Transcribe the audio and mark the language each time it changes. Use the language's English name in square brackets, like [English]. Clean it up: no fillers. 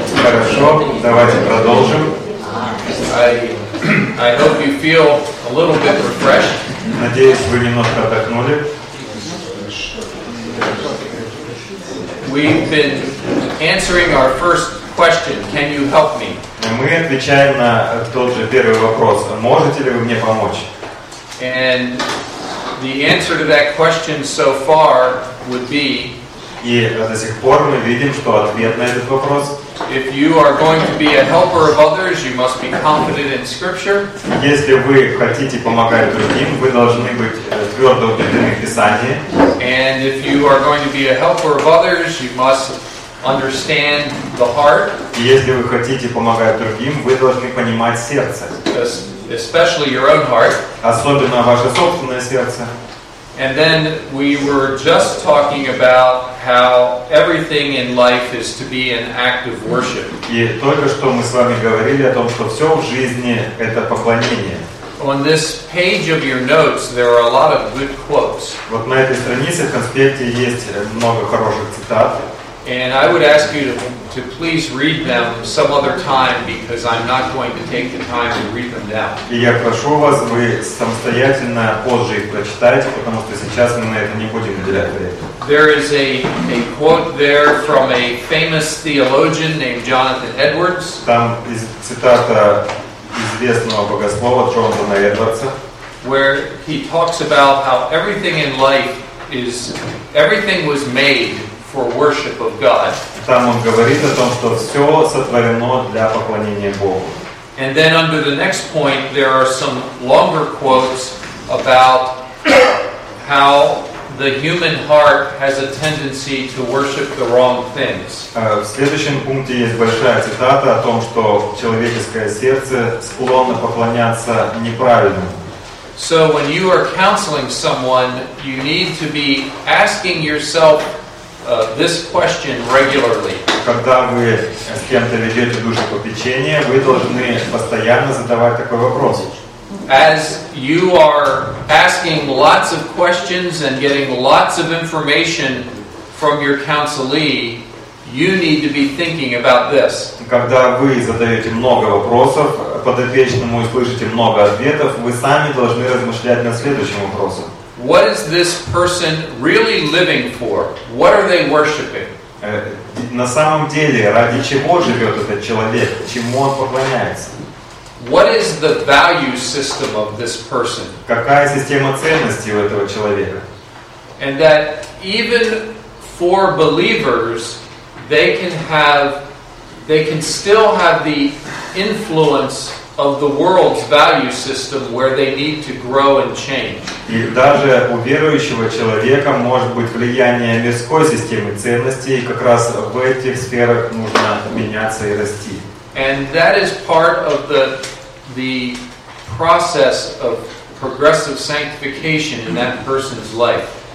[Russian] Хорошо, давайте продолжим. [English] I hope you feel a little bit refreshed. [Russian] Надеюсь, вы немножко отдохнули. [English] We've been answering our first question. Can you help me? [Russian] Мы отвечаем на тот же первый вопрос. Можете ли вы мне помочь? [English] And the answer to that question so far would be. [Russian] И до сих пор мы видим, что ответ на этот вопрос. [English] If you are going to be a helper of others, you must be confident in Scripture. [Russian] Если вы хотите помогать другим, вы должны быть твердо убеждены в Писании. [English] And if you are going to be a helper of others, you must understand the heart. [Russian] Если вы хотите помогать другим, вы должны понимать сердце. [English] Especially your own heart. [Russian] Особенно ваше собственное сердце. [English] And then we were just talking about how everything in life is to be an act of worship. [Russian] И только что мы с вами говорили о том, что все в жизни — это поклонение. [English] On this page of your notes, there are a lot of good quotes. [Russian] Вот на этой странице в конспекте есть много хороших цитат. [English] And I would ask you to please read them some other time because I'm not going to take the time to read them down. [Russian] И я прошу вас, вы самостоятельно позже их прочитайте, потому что сейчас мы на это не будем уделять время. [English] There is a quote there from a famous theologian named Jonathan Edwards. [Russian] Там цитата известного богослова Джонатана Эдвардса. [English] Where he talks about how everything in life is, everything was made for worship of God. [Russian] Там он говорит о том, что все сотворено для поклонения Богу. [English] And then under the next point, there are some longer quotes about how the human heart has a tendency to worship the wrong things. [Russian] В следующем пункте есть большая цитата о том, что человеческое сердце склонно поклоняться неправильному. [English] So when you are counseling someone, you need to be asking yourself this question regularly. [Russian] Когда вы с кем-то ведете душепопечение, вы должны постоянно задавать такой вопрос. [English] As you are asking lots of questions and getting lots of information from your counselee, you need to be thinking about this. [Russian] Когда вы задаете много вопросов подопечному и слышите много ответов, вы сами должны размышлять над следующим вопросом. [English] What is this person really living for? What are they worshiping? [Russian] На самом деле, ради чего живет этот человек? Чему он поклоняется? [English] What is the value system of this person? [Russian] Какая система ценностей у этого человека? [English] And that even for believers, they can still have the influence of the world's value system where they need to grow and change. [Russian] И даже у верующего человека может быть влияние мирской системы ценностей, как раз в этих сферах нужно меняться и расти. [English] And that is part of the process of progressive sanctification in that person's life.